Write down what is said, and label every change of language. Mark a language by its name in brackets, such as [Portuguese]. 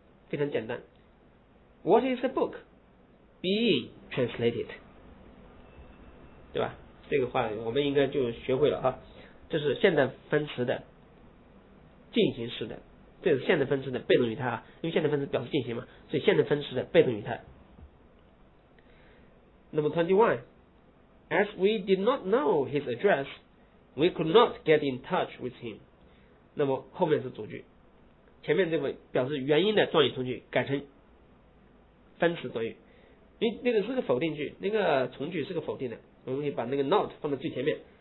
[Chinese] 非常简单， [English] What is the book? Being translated， [Chinese] 对吧？这个话我们应该就学会了哈，这是现代分词的进行式的，这是现在分词的被动语态啊，因为现在分词表示进行嘛，所以现在分词的被动语态。 [English] Number 21, as we did not know his address, we could not get in touch with him. [Chinese] 那么后面是主句，前面这个表示原因的状语从句改成分词短语，因为那个是个否定句，那个从句是个否定的，我们可以把那个 not 放在最前面。